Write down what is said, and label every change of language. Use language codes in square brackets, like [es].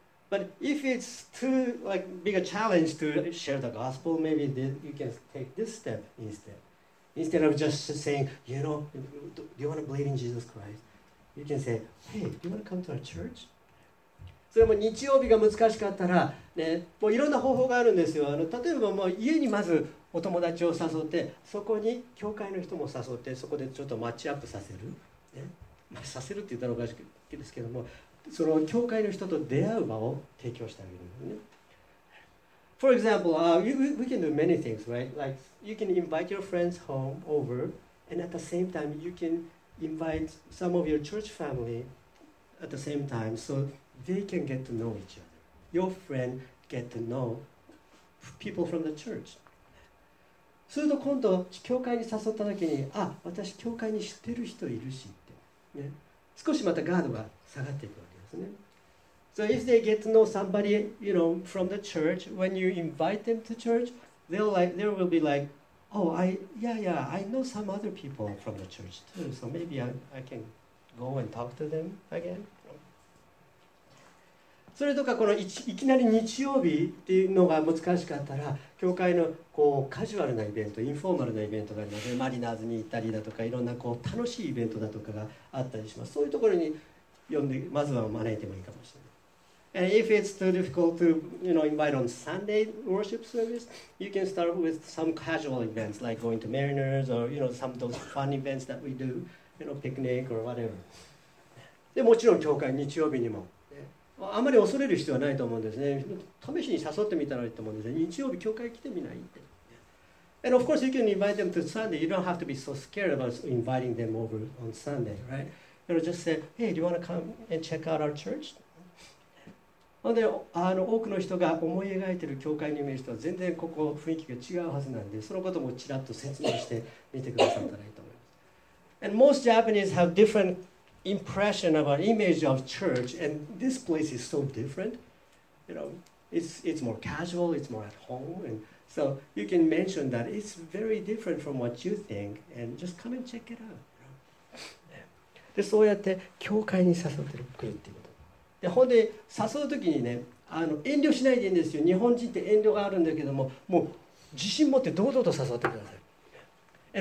[en] But if it's too like, big a challenge to share the gospel, maybe you can take this step instead. Instead of just saying, you know, do you want to believe in Jesus Christ? You can say, hey, do you want to come to our church? [ja] それも日曜日が難しかったら、ね、もういろんな方法があるんですよ。例えばもう家にまずお友達を誘って、そこに教会の人も誘って、そこでちょっとマッチアップさせる。ね、まあ、させるって言ったらおかしいですけども、その教会の人と出会う場を提供してあげるんですね。 [en] For example, we can do many things, right? Like, you can invite your friends home over, and at the same time, you can invite some of your church family at the same time, so they can get to know each other. Your friend get to know people from the church. [ja] すると今度、教会に誘った時に、あ、私、教会に知ってる人いるしって、ね、少しまたガードが下がっていくわけですね。 [en] So if they get to know somebody, you know, from the church, when you invite them to church, they will be like, oh, I know some other people from the church too, so maybe I can go and talk to them again. [ja] それとかこのいきなり日曜日っていうのが難しかったら、教会のこうカジュアルなイベント、インフォーマルなイベントがあるので、マリナーズに行ったりだとか、いろんなこう楽しいイベントだとかがあったりします。そういうところに呼んで、まずは招いてもいいかもしれない。 [en] And if it's too difficult to, you know, invite on Sunday worship service, you can start with some casual events like going to Mariners or, you know, some of those fun events that we do, you know, picnic or whatever. [ja] で、もちろん教会、日曜日にも。あまり恐れる必要はないと思うんですね。試しに誘ってみたらいいと思うんですね。日曜日教会来てみないって。 [en] And of course, you can invite them to Sunday. You don't have to be so scared about inviting them over on Sunday, right? You know, just say, hey, do you want to come and check out our church? [ja] なので多くの人が思い描いている教会のイメージとは全然ここ雰囲気が違うはずなんで、そのこともちらっと説明してみてくださったらいいと思います。 [en] And most Japanese have different impression of an image of church, and this place is so different. You know, it's more casual, it's more at home, and so you can mention that it's very different from what you think, and just come and check it out. [ja] で、そうやって教会に誘ってくるっていう。で本で誘うときにね、遠慮しないでいいんですよ。日本人って遠慮があるんだけども、もう自信持って堂々と誘ってください。